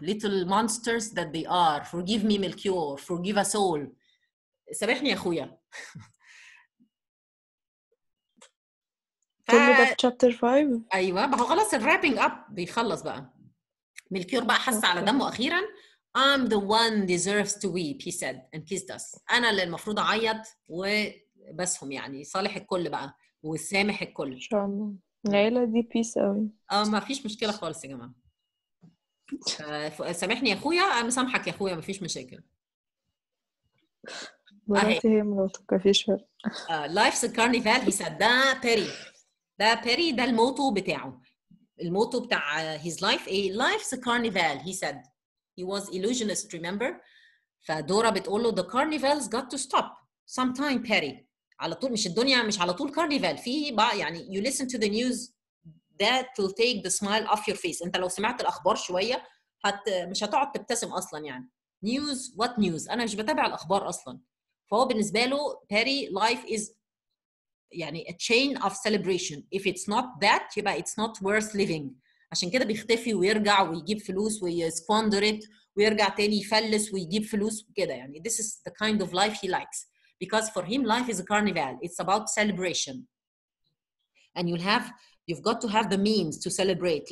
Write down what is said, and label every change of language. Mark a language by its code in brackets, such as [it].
[en] Little monsters that they are. Forgive me ملكيور. Forgive us all. [ar] سامحني يا أخويا. [en] chapter 5. [ar] أيوة بقى خلاص الرابينج أب بيخلص بقى. ملكيور بقى حس على دمه أخيرا. [en] I'm the one deserves to weep, he said, and kissed us. [ar] أنا اللي المفروض عيط وبسهم، يعني صالح الكل بقى وسامح الكل. شاء الله. العيلة دي peace قوي. ما فيش مشكلة خالص يا جماعة. سامحني يا أخويا، أنا سامحك يا أخويا، ما فيش مشاكل. مراتي هي مراتك، ما فيش فرق. [en] Life's a carnival, he said. [ar] ده بيري. ده بيري، ده الموتو بتاعه. الموتو بتاع [en] his life. Life's a carnival, he said. He was illusionist, remember? [ar] فدورا بتقول له [en] the carnival's got to stop sometime, Perry. [ar] على طول مش الدنيا، مش على طول carnival. فيه بقى يعني [en] you listen to the news that will take the smile off your face. [ar] انت لو سمعت الاخبار شوية مش هتقعد تبتسم اصلا يعني. [en] News, what news? [ar] انا مش بتابع الاخبار اصلا. فهو بالنسبة له [en] Perry life is يعني a chain of celebration. If it's not that, [ar] يبقى [en] it's not worth living. [ar] عشان كده بيختفي ويرجع ويجيب فلوس ويسكواندريت ويرجع تاني يفلس ويجيب فلوس كده يعني. [en] This is the kind of life he likes. Because for him life is a carnival. It's about celebration. And you've got to have the means to celebrate.